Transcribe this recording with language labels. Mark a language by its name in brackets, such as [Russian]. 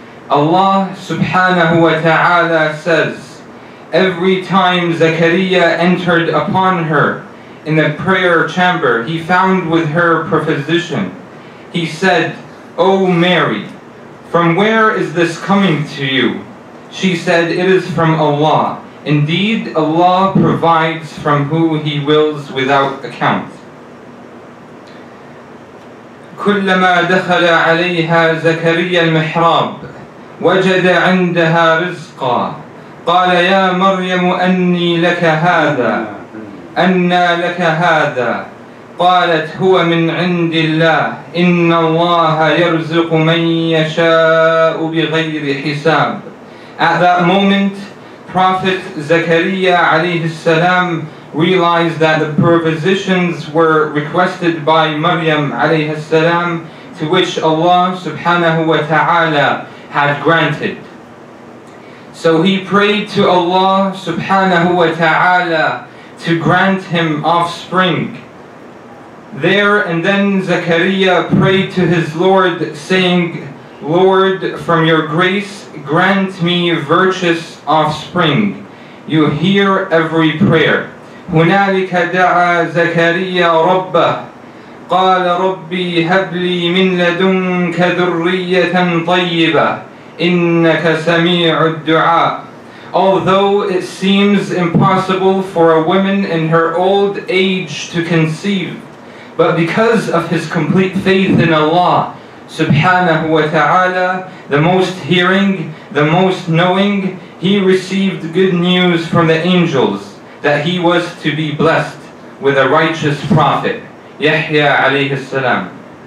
[English] Allah subhanahu wa ta'ala says, every time Zakariya entered upon her in the prayer chamber, he found with her proposition. He said, O Mary, from where is this coming to you? She said, it is from Allah. Indeed, Allah provides from who He wills without account. [Arabic] كلما دخل عليها زكريا المحراب وجد عندها رزقا قال يا مريم أني لك هذا أنى لك هذا قالت هو من عند الله إن الله يرزق من يشاء بغير حساب. [English] At that moment, Prophet Zakariya alayhi salam realized that the propositions were requested by Maryam alayhi salam, to which Allah subhanahu wa ta'ala had granted. So he prayed to Allah subhanahu wa ta'ala to grant him offspring. There and then Zakariya prayed to his Lord, saying, Lord, from your grace, grant me virtuous offspring. You hear every prayer. [Arabic] هنالك دعا زكريا ربه قال ربي هب لي من لدنك ذرية طيبة إنك سميع الدعاء. [English] Although it seems impossible for a woman in her old age to conceive, but because of his complete faith in Allah, Subhanahu wa ta'ala, the most hearing, the most knowing, he received good news from the angels that he was to be blessed with a righteous prophet, Yahya alayhi salam.